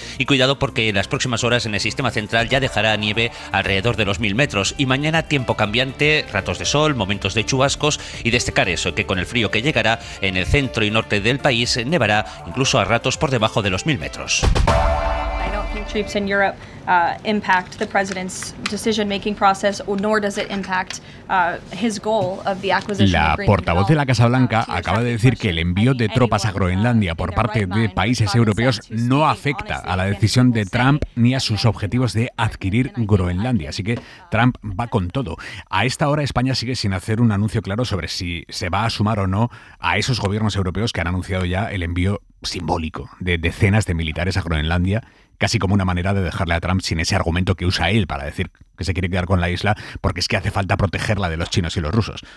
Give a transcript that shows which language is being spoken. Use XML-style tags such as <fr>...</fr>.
<es>Y cuidado porque en las próximas horas en el sistema central ya dejará nieve alrededor de los 1000 metros. Y mañana tiempo cambiante, ratos de sol, momentos de chubascos. Y destacar eso, que con el frío que llegará en el centro y norte del país, nevará incluso a ratos por debajo de los 1000 metros.</es> <en>Troops in Europe impact the president's decision-making process, nor does it impact his goal of the acquisition.</en> <es>La portavoz de la Casa Blanca acaba de decir que el envío de tropas a Groenlandia por parte de países europeos no afecta a la decisión de Trump ni a sus objetivos de adquirir Groenlandia. Así que Trump va con todo. A esta hora España sigue sin hacer un anuncio claro sobre si se va a sumar o no a esos gobiernos europeos que han anunciado ya el envío simbólico de decenas de militares a Groenlandia, casi como una manera de dejarle a Trump sin ese argumento que usa él para decir que se quiere quedar con la isla porque es que hace falta protegerla de los chinos y los rusos.</es>